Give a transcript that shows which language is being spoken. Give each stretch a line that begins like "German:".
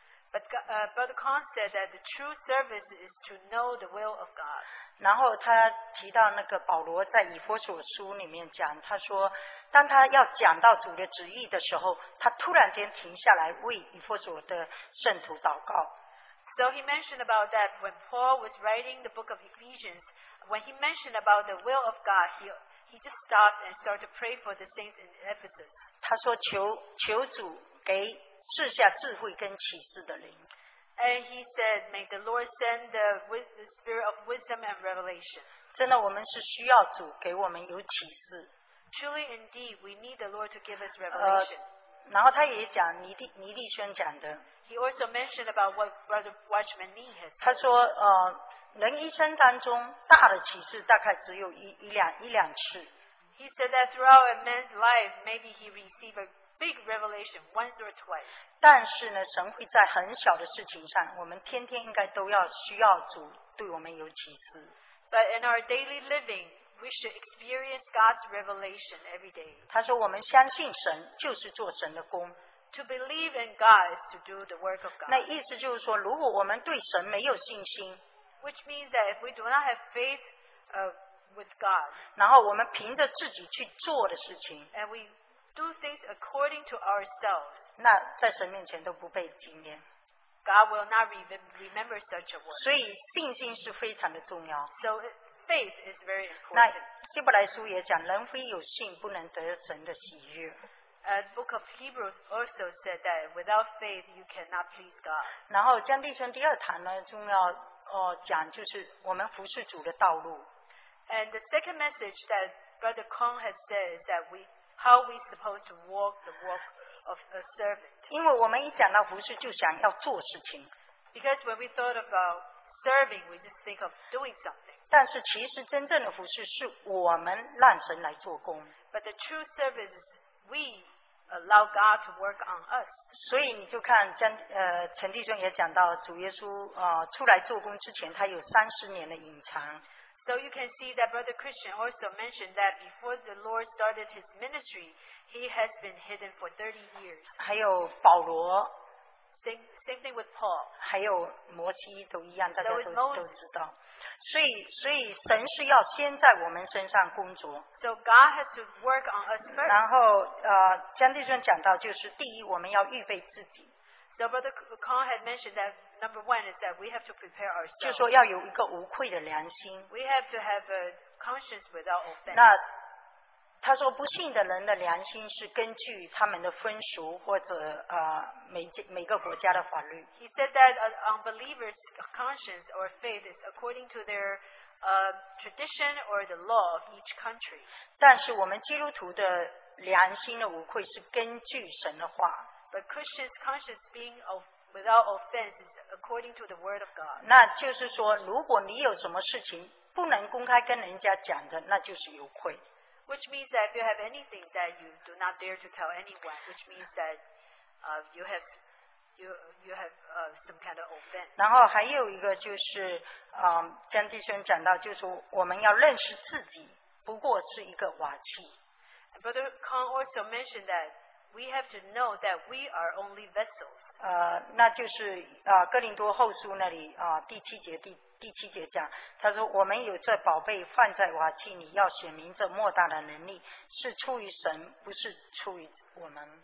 English: But Brother Kong said that the true service is to know the will of God.
Chinese: 然后他提到那个保罗在以弗所书里面讲，他说当他要讲到主的旨意的时候，他突然间停下来为以弗所的圣徒祷告。
English: So he mentioned about that when Paul was writing the book of Ephesians, when he mentioned about the will of God, he just stopped and started to pray for the saints in Ephesus.
Chinese: 他说求主给赐下智慧跟启示的灵。
English: And he said, may the Lord send the spirit of wisdom and revelation.
Chinese: 真的我们是需要主给我们有启示。
English: Truly indeed, we need the Lord to give us revelation.
Chinese: 然后他也讲尼弟兄讲的。
English: He also mentioned about what Brother Watchman Nee has said.
Chinese: 他说人一生当中大的启示大概只有一两次。
English: He said that throughout a man's life, maybe he received a big revelation once or twice.
Chinese: 但是呢，神会在很小的事情上，我们天天应该都要需要主对我们有启示。
English: But in our daily living, we should experience God's revelation every day.
Chinese: 他说，我们相信神就是做神的工。
English: To believe in God is to do the work of God.
Chinese: 那意思就是说，如果我们对神没有信心
English: ，which means that if we do not have faith with God,
Chinese: 然后我们凭着自己去做的事情
English: ，and we do things according to ourselves.
Chinese: 那在神面前都不被纪念。
English: God will not remember such a word.
Chinese: 所以信心是非常的重要。
English: So faith is very important.
Chinese: 那希伯来书也讲，人非有信，不能得神的喜悦。
English: The book of Hebrews also said that without faith, you cannot please God.
Chinese: 然后江弟兄第二堂呢，重要讲就是我们服侍主的道路。
English: And the second message that Brother Kong has said is that how are we supposed to walk the walk of a servant?
Chinese: 因为我们一讲到服事就想要做事情。
English: Because when we thought about serving, we just think of doing something.
Chinese: 但是其实真正的服事是我们让神来做工。
English: But the true service is we allow God to work on us.
Chinese: 所以你就看陈弟兄也讲到主耶稣出来做工之前他有三十年的隐藏。
English: So you can see that Brother Christian also mentioned that before the Lord started his ministry, he has been hidden for 30 years.
Chinese: 还有保罗。
English: Same thing with Paul.
Chinese: 还有摩西都一样，大家都知道。所以神是要先在我们身上工作。
English: So God has to work on us first.
Chinese: 然后江弟兄讲到就是第一，我们要预备自己。
English: So Brother Kong had mentioned that number one is that we have to prepare ourselves.
Chinese: 就说要有一个无愧的良心。
English: We have to have a conscience without offense.
Chinese: 那他说不信的人的良心是根据他们的风俗或者每个国家的法律。
English: He said that an unbeliever's conscience or faith is according to their tradition or the law of each country.
Chinese: 但是我们基督徒的良心的无愧是根据神的话。
English: But Christians' conscience being without offense is according to the word of God.
Chinese: 那就是说，如果你有什么事情不能公开跟人家讲的，那就是有愧。
English: Which means that if you have anything that you do not dare to tell anyone, which means that you have some kind of offense.
Chinese: 然后还有一个就是，江弟兄讲到，就是我们要认识自己不过是一个瓦器。
English: Brother Kong also mentioned that we have to know that we are only vessels.
Chinese: 那就是哥林多后书那里第七节讲，他说我们有这宝贝放在瓦器里，要显明这莫大的能力是出于神，不是出于我们。